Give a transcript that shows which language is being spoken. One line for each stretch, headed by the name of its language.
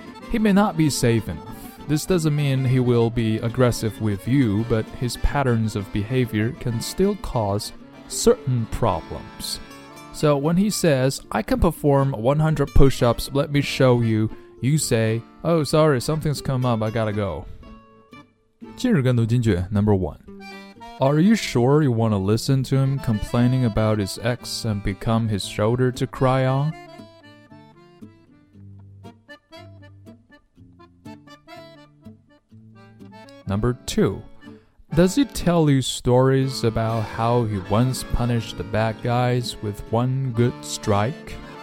English: He may not be safe enough. This doesn't mean he will be aggressive with you, but his patterns of behavior can still cause certain problems. So when he says, I can perform 100 push-ups, let me show you, you say, Oh, sorry, something's come up, I gotta go.
Chinese: 今日跟读金句
English: number 1. Are you sure you want to listen to him complaining about his ex and become his shoulder to cry on? Number 2. Does he tell you stories about how he once punished the bad guys with one good strike?